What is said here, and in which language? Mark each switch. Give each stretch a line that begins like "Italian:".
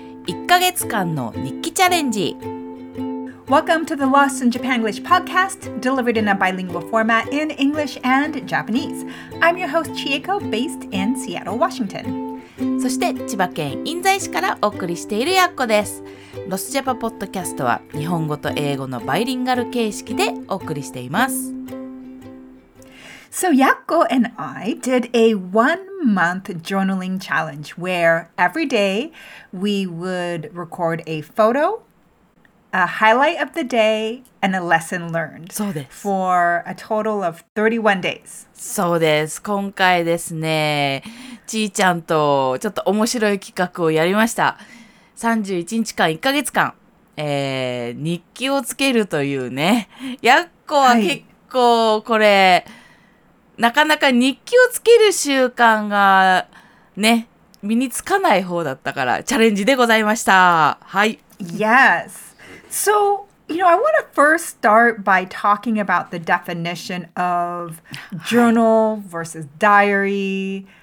Japanese: 1ヶ月間の日記チャレンジ。
English: Welcome to the Lost in Japan English podcast, delivered in a bilingual format in English and Japanese. I'm your host, Chieko, based in Seattle, Washington.
Japanese: そして千葉県印西市からお送りしているやっこです。ロスジャパポッドキャストは日本語と英語のバイリンガル形式でお送りしています。
English: So Yakko and I did a one-month journaling challenge where every day we would record a photo, a highlight of the day, and a lesson learned.
Japanese: そうです。
English: For a total of 31 days.
Japanese: そうです。今回ですね、ちーちゃんとちょっと面白い企画をやりました。 31日間、1ヶ月間、日記をつけるというね。 Yakko は結構これ、はいなかなか日記をつける習慣がね、身につかない方だったからチャレンジでございました。はい。
English: Yes. So, you know, I want to first start by talking about the definition of journal versus diary.